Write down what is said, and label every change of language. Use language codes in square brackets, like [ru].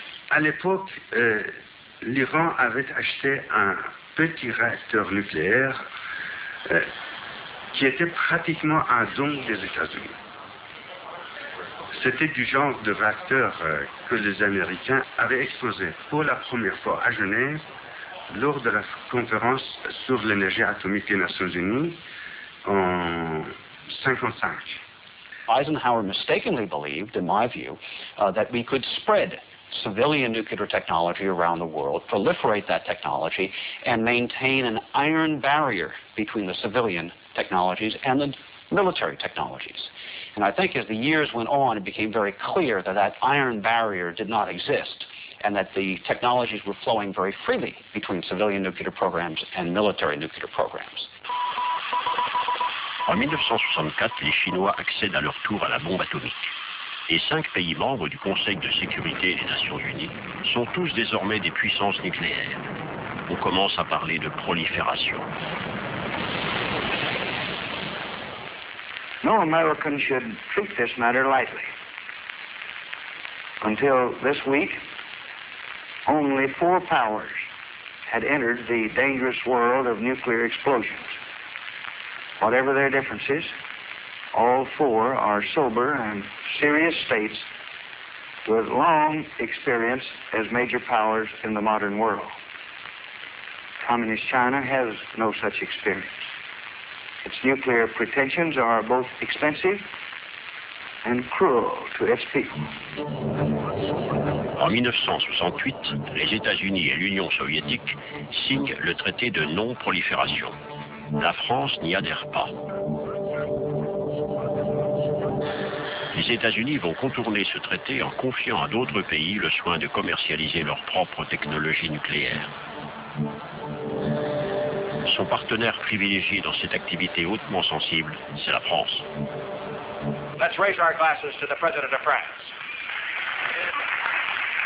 [fr] À l'époque, l'Iran avait acheté un petit réacteur nucléaire qui était pratiquement un don des États-Unis. C'était du genre de réacteur que les Américains avaient exposé pour la première fois à Genève lors de la conférence sur l'énergie atomique des Nations Unies en 1955. [en] Eisenhower mistakenly believed, in my view, that we could spread civilian nuclear technology around the world, proliferate that technology, and maintain an iron barrier between the civilian technologies and the military technologies. And I think as the years went on, it became very clear that that iron barrier did not exist, and that the technologies were flowing very freely between civilian nuclear programs and military nuclear programs. [fr] En 1964, les Chinois accèdent à leur tour à la bombe atomique. Et cinq pays membres du Conseil de sécurité des Nations Unies sont tous désormais des puissances nucléaires. On commence à parler de prolifération. [en] No American should treat this matter lightly. Until this week, only four powers had entered the dangerous world of nuclear explosions. Whatever their differences, all four are sober and serious states with long experience as major powers in the modern world. Communist China has no such experience. Its nuclear pretensions are both expensive and cruel to its people. [fr] En 1968, les États-Unis et l'Union soviétique signent le traité de non-prolifération. La France n'y adhère pas. Les États-Unis vont contourner ce traité en confiant à d'autres pays le soin de commercialiser leur propre technologie nucléaire. Son partenaire privilégié dans cette activité hautement sensible, c'est la France. [en] Let's raise our glasses to the President of France.